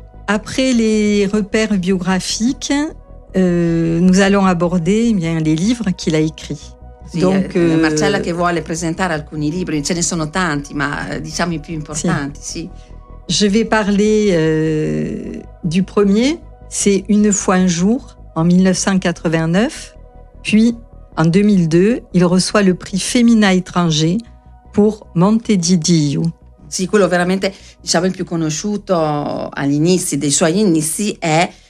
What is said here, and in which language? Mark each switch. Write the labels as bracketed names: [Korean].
[French] Après les repères biographiques, nous allons aborder les livres qu'il a écrits. [Italian] Sì, donc, Marcella che vuole presentare alcuni libri, ce ne sono tanti, ma diciamo i più importanti, sì. [French] Je vais parler du premier, c'est Une fois un jour, en 1989. Puis, en 2002, il reçoit le prix Femina étranger pour Monte di Dio. [Italian] Sì, quello veramente, diciamo, il più conosciuto all'inizio, dei suoi inizi, è...